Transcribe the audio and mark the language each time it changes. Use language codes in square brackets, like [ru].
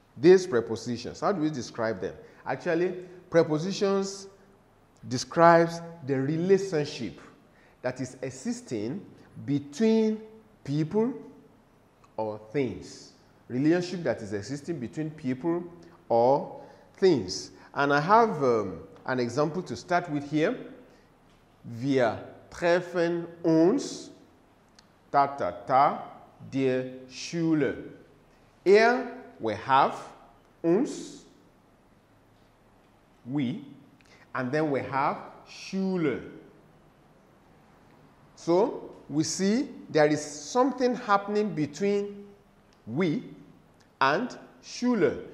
[en] These prepositions, how do we describe them? Actually, prepositions describes the relationship that is existing between people or things. Relationship that is existing between people or things. And I have an example to start with here. [de] Wir treffen uns, ta ta ta, der Schule. [en] Here we have uns, we, and then we have Schule. So we see there is something happening between we and Schule.